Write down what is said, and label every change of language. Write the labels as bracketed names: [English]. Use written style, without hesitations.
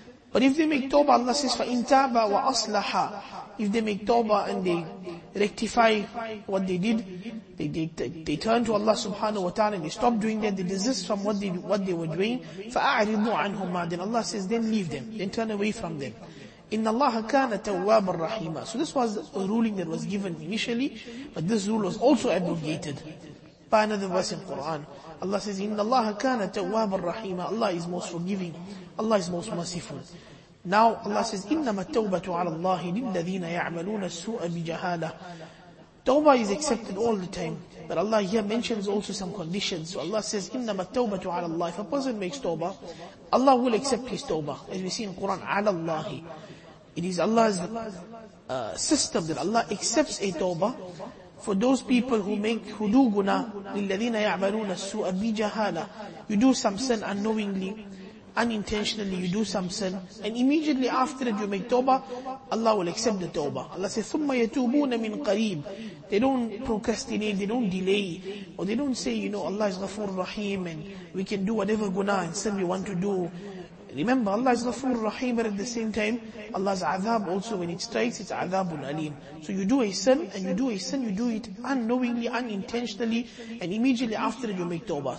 [English] But if they make tawbah, Allah says, [Arabic] فَإِن تَابَ وَأَصْلَحَ. [English] If they make tawbah and they rectify what they did, they turn to Allah subhanahu wa ta'ala and they stop doing that, they desist from what they were doing, [Arabic] فَأَعْرِضُوا عَنْهُمَا. [English] Then Allah says, then leave them, then turn away from them. [Arabic] إِنَّ اللَّهَ كَانَ تَوَّابًا رَحِيمًا. [English] So this was a ruling that was given initially, but this rule was also abrogated by another verse in Quran. Allah says, [Arabic] إِنَّ اللَّهَ كَانَ تَوَّابًا رَحِيمًا. [English] Allah is most forgiving. Allah is most merciful. Now Allah says, [Arabic] إِنَّمَا التَّوْبَةُ عَلَى اللَّهِ لِلَّذِينَ يَعْمَلُونَ السُّوءَ بِجَهَالَةٍ. [English] Tawbah is accepted all the time. But Allah here mentions also some conditions. So Allah says, [Arabic] إِنَّمَا التَّوْبَةُ عَلَى اللَّهِ. [English] If a person makes tawbah, Allah will accept his tawbah. As we see in Quran, [Arabic] عَلَى اللَّهِ. [English] It is Allah's system that Allah accepts a tawbah for those people who do guna. [Arabic] لِلَّذِينَ يَعْمَلُونَ السُّوءَ بِجَهَالَةٍ. [English] You do some sin unknowingly, unintentionally you do some sin, and immediately after that you make tawbah, Allah will accept the tawbah. Allah says, [Arabic] ثُمَّ يَتُوبُونَ مِنْ قَرِيبٍ. [English] They don't procrastinate, they don't delay, or they don't say, you know, Allah is Ghafoor Rahim, and we can do whatever guna and sin we want to do. Remember, Allah is Ghafoor Rahim, but at the same time, Allah's Azab also, when it strikes, it's Azabul Aleem. So you do a sin, and you do a sin, you do it unknowingly, unintentionally, and immediately after it you make tawbah.